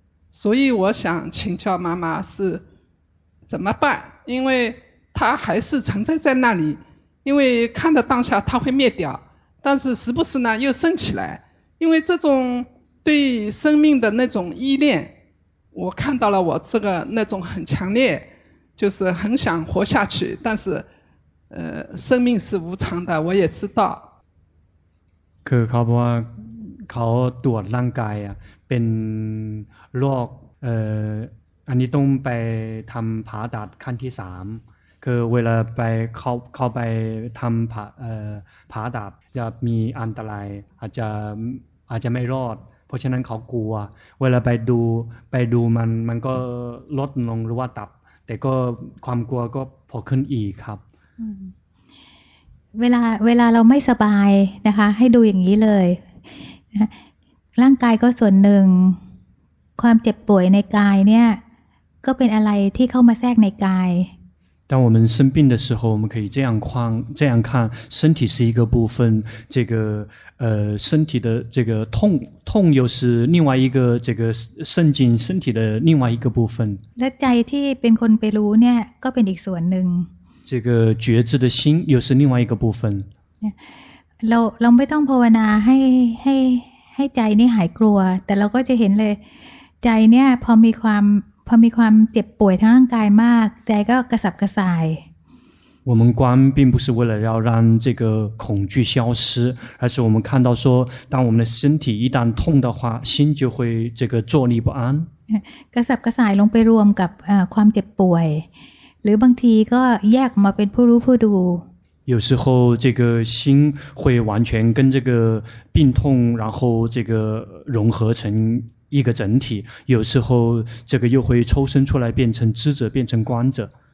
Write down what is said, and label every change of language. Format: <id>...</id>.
<zh>所以我想请教妈妈是怎么办因为它还是存在在那里因为看的当下它会灭掉但是时不时呢又升起来因为这种对生命的那种依恋我看到了我这个那种很强烈就是很想活下去但是生命是无常的我也知道</zh> <th>คือเขาบอกว่าเขาตรวจร่างกายอ่ะเป็นโรคอันนี้ต้องไปทำผ่าตัดขั้นที่สามคือเวลาไปเข้าไปทำผ่าตัดจะมีอันตรายอาจจะไม่รอดเพราะฉะนั้นเขากลัวเวลาไปดูมันก็ลดลงหรือว่าตับแต่ก็ความกลัวก็พอขึ้นอีกครับ เวลาเราไม่สบายนะคะให้ดูอย่างนี้เลยร่างกายก็ส่วนหนึ่งความเจ็บป่วยในกายเนี่ยก็เป็นอะไรที่เข้ามาแทรกในกาย</th> <zh>当我们生病的时候，我们可以这样看，身体是一个部分，这个身体的这个痛又是另外一个这个渗进身体的另外一个部分。</zh> <th>และใจที่เป็นคนไปรู้เนี่ยก็เป็นอีกส่วนหนึ่ง。</th> <zh>这个觉知的心又是另外一个部分。</zh> <th>เราไม่ต้องภาวนาให้ใจนี่หายกลัวแต่เราก็จะเห็นเลยใจเนี่ยพอมีความเจ็บป่วยทั้งร่างกายมากใจก็กระสับกระส่าย</th> <zh>我们观并不是为了要让这个恐惧消失而是我们看到说当我们的身体一旦痛的话心就会这个坐立不安</zh> <th>กระสับกระส่ายลงไปรวมกับความเจ็บป่วยหรือบางทีก็แยกมาเป็นผู้รู้ผู้ดู</th> <zh>有时候这个心会完全跟这个病痛然后这个融合成一个整体有时候这个又会抽身出来变成知者变成观者</zh>